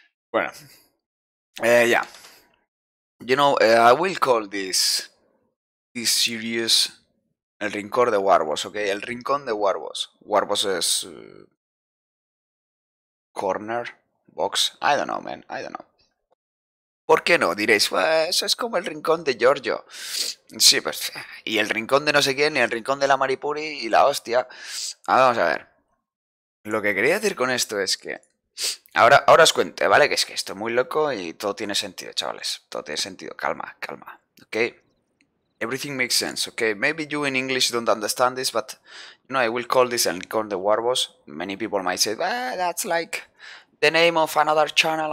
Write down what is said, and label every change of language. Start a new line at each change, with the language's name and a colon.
Spanish: Bueno.
English: Yeah. You know, I will call this. This series,
Spanish: el rincón de Warboss, ok, el rincón de Warboss.
English: Warboss es corner, box, I don't know, man, I don't know.
Spanish: ¿Por qué no? Diréis, well, eso es como el rincón de Giorgio. Sí, pues, y el rincón de no sé quién, y el rincón de la Maripuri y la hostia. Ah, vamos a ver. Lo que quería decir con esto es que Ahora os cuento, ¿vale? Que es que estoy muy loco y todo tiene sentido, chavales. Todo tiene sentido. Calma, calma. ¿Ok?
English: Everything makes sense,
Spanish: ¿ok?
English: Maybe you in English don't understand this, but no, I will call this and call the Warboss. Many people might say, well, that's like the name of another channel.